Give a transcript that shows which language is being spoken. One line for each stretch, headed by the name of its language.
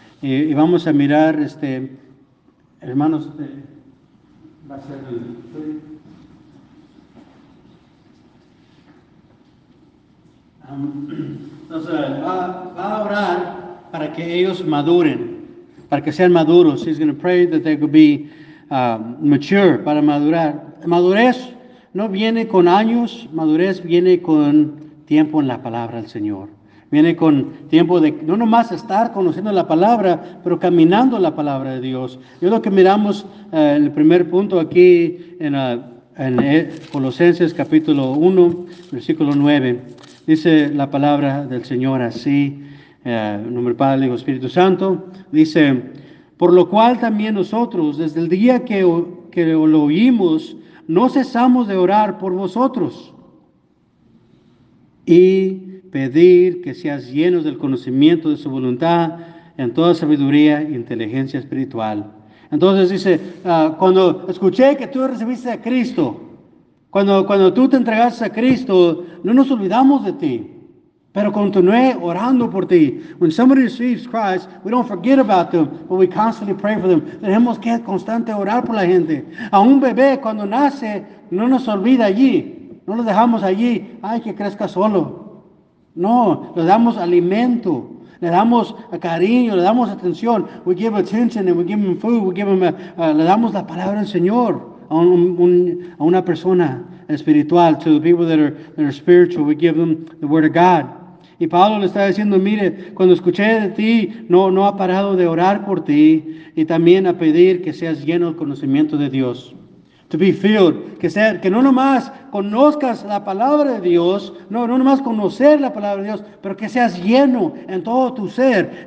Spanish: Y vamos a mirar hermanos, va a ser va a orar para que ellos maduren, para que sean maduros.
English: He's going to pray that they could be mature,
Spanish: para madurar. Madurez no viene con años, madurez viene con tiempo en la palabra del Señor. Viene con tiempo de no nomás estar conociendo la palabra, pero caminando la palabra de Dios. Yo lo que miramos en el primer punto aquí en Colosenses capítulo 1, versículo 9, dice la palabra del Señor así, en nombre del Padre y del Espíritu Santo, dice, por lo cual también nosotros, desde el día que lo oímos, no cesamos de orar por vosotros. Y pedir que seas llenos del conocimiento de su voluntad en toda sabiduría e inteligencia espiritual. Entonces dice, cuando escuché que tú recibiste a Cristo, cuando tú te entregaste a Cristo, no nos olvidamos de ti, pero continué orando por ti.
English: When somebody receives Christ, we don't forget about them, but we constantly pray for them.
Spanish: Tenemos que constante orar por la gente. A un bebé cuando nace, no nos olvida allí, no lo dejamos allí, ay, que crezca solo. No, le damos alimento, le damos cariño, le damos atención.
English: We give attention and we give him food,
Spanish: le damos la palabra del Señor. a una persona espiritual,
English: to the people that are spiritual. We give them the word of God.
Spanish: Y Pablo le está diciendo, mire, cuando escuché de ti, no ha parado de orar por ti y también a pedir que seas lleno del conocimiento de Dios.
English: To be filled,
Spanish: que no nomás conozcas la palabra de Dios, no nomás conocer la palabra de Dios, pero que seas lleno en todo tu ser.